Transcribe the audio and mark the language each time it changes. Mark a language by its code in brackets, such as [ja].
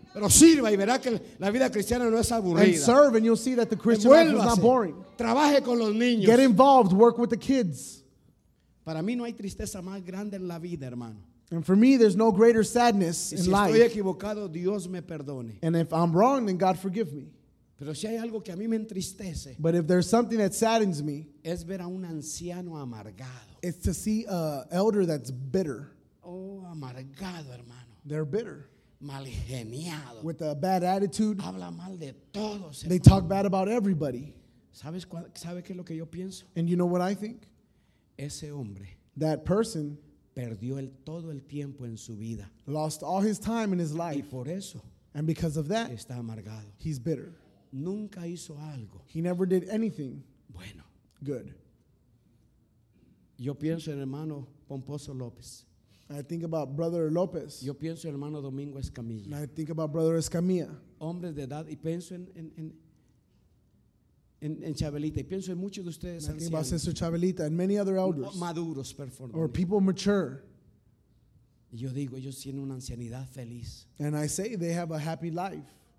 [es] Pero sirva y verá que la vida cristiana no es aburrida. [en] And serve and you'll see that the Christian life is not boring. [es] Trabaje con los niños. [en] Get involved, work with the kids. [es] Para mí no hay tristeza más grande en la vida, hermano. [en] And for me, there's no greater sadness [es] y si [en] in life. [es] Si estoy equivocado, Dios me perdone. [en] And if I'm wrong, then God forgive me. [es] Pero si hay algo que a mí me entristece. [en] But if there's something that saddens me. [es] Es ver a un anciano amargado. [en] It's to see an elder that's bitter. [es] Oh, amargado, hermano. [en] They're bitter. [es] Malgeniado. [en] With a bad attitude. [es] Habla mal de todos. [en] They talk bad about everybody. [es] ¿Sabe qué es lo que yo pienso? [en] And you know what I think? [es] Ese hombre. [en] That person. [es] Perdió todo el tiempo en su vida. [en] Lost all his time in his life. [es] Y por eso. [en] And because of that. [es] Está amargado. [en] He's bitter. [es] Nunca hizo algo. [en] He never did anything. [es] Bueno. [en] Good. [es] Yo pienso en hermano Pomposo López. [en] I think about Brother López. [es] Yo pienso en hermano Domingo Escamilla. [en] And I think about Brother Escamilla. [es] Hombres de edad y pienso en Chabelita y pienso en muchos de ustedes ancianos. [en] I think about Sister Chabelita and many other elders. [es] Maduros, perdón. [en] Or people mature. [es] Yo digo, ellos tienen una ancianidad feliz. [en] And I say they have a happy life.